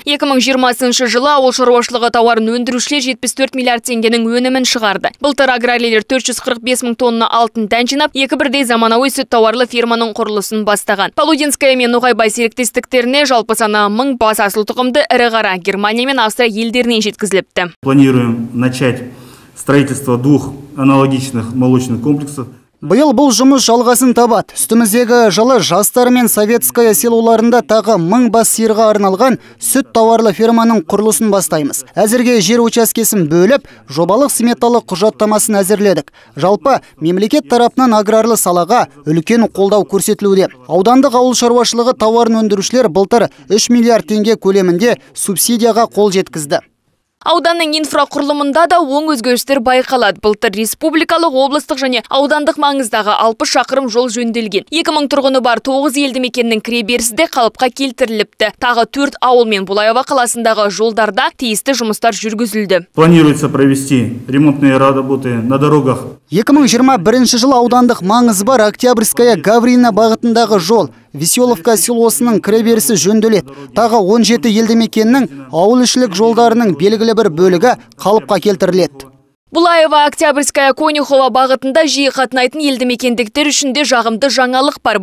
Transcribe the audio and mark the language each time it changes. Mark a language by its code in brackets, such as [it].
[kk] 2020 жылы ауыл шаруашылығы тауарын өндірушілер 74 миллиард теңгенің өнімін шығарды. Былтыр аграрлер 445 мың тонна алтын дән жинап, екі бірдей заманауи сүт тауарлы фирманың құрылысын бастаған. Полудинская мен Ноғайбай серіктестіктеріне жалпы саны 1000 бас асыл тұқымды ірі қара Германия мен Австрия елдерінен жеткізіліпті. [ru] Планируем начать строительство двух аналогичных молочных комплексов. [kk] Биыл бұл жұмыс жалғасын табады. Үстіміздегі жылы жастар мен советская селоларында тағы 1000 бас сиырға арналған сүт тауарлы ферманың құрылысын бастаймыз. Әзірге жер учаскесін бөліп, жобалық сметалық құжаттамасын әзірледік. Жалпы мемлекет тарапынан аграрлы салаға үлкен қолдау көрсетілуде. Аудандық ауыл шаруашылығы тауарын өндірушілер былтыр 3 миллиард теңге көлемінде субсидияға қол жеткізді. Ауданның инфрақұрылымында да оң өзгерістер байқалады. Былтыр республикалық, облыстық және аудандық маңыздағы 60 шақырым жол жөнделген. 2000 тұрғыны бар 9 елді мекеннің кіреберісі де қалыпқа келтіріліпті. Тағы 4 ауыл мен Булаева қаласындағы жолдарда тиісті жұмыстар жүргізілді. [ru] Планируется провести ремонтные работы на дорогах. [kk] 2021 жылы аудандық маңызы бар Октябрьская Гаврина бағытындағы жол, Веселовка селосының кіреберісі жөнделеді. Тағы 17 елді мекеннің ауылішілік жолдарының белгілі бір бөлігі қалыпқа келтіріледі. Булаева, Октябрьская, Конюхова бағытында жиі қатынайтын елді мекендіктер үшінде жағымды жаңалық бар.